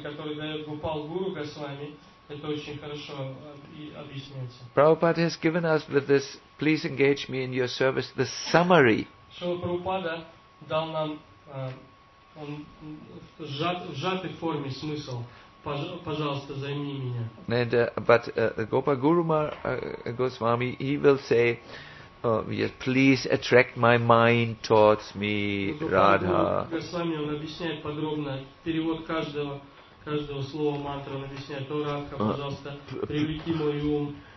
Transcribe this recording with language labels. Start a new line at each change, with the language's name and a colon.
Russian: который дает Гопал Гуру Госвами, это очень хорошо объясняется.
English: Prabhupada has given us with this, please engage me in your service, the summary.
Russian: Шрила Прабхупада дал нам он в сжатой форме смысл. Пожалуйста, займи меня.
English: And, but Gopal Guru Goswami, he will say, yes, please attract my mind towards me, Radha.
Russian: Gopal Guru Goswami, он объясняет подробно перевод каждого слова мантры. Он объясняет, то Радха, пожалуйста, привлеки мой ум.